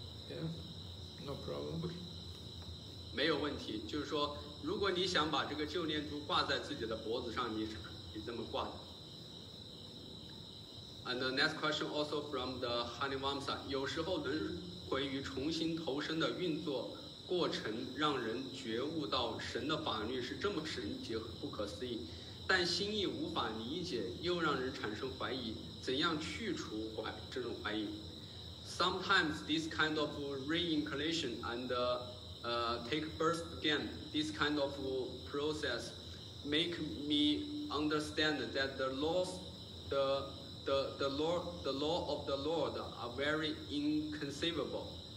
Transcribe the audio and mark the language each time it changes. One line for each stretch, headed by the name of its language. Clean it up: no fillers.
English: Yeah, no problem. Okay.
Chinese: 没有问题，就是说如果你想把这个旧念珠挂在自己的脖子上，你是可以这么挂的。
English: And the next question also from the Honey Vamsa.
Chinese: 有时候轮回与重新投生的运作过程让人觉悟到神的法律是这么神奇和不可思议，但心意无法理解，又让人产生怀疑，怎样去除这种怀疑？
English: Sometimes this kind of reincarnation andtake birth again, this kind of process make me understand that the laws, the law of the Lord are very inconceivable.